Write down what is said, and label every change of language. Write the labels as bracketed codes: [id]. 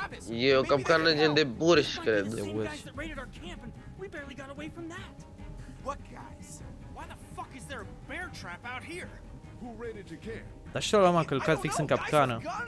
[ro] E o capcană gen de burși, cred. [en] De burși. We barely got away from that. What guys? Why the fuck is there a bear trap out here? Who rated you care? [ro] Dar știu l-am călcat fix în capcană.